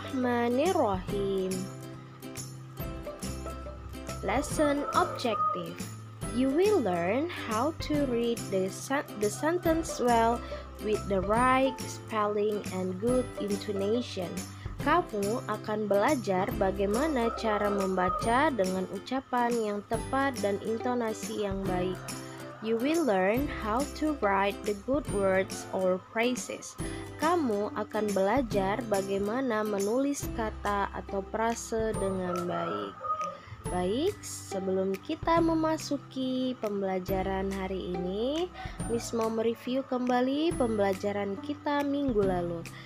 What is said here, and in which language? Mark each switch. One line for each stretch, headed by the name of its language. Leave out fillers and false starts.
Arabic: Bismillahirrahmanirrahim.
English: Lesson objective. You will learn how to read the sentence well with the right spelling and good intonation.
Indonesian: Kamu akan belajar bagaimana cara membaca dengan ucapan yang tepat dan intonasi yang baik.
English: You will learn how to write the good words or phrases.
Indonesian: Kamu akan belajar bagaimana menulis kata atau frase dengan baik. Baik, sebelum kita memasuki pembelajaran hari ini, Miss mau mereview kembali pembelajaran kita minggu lalu.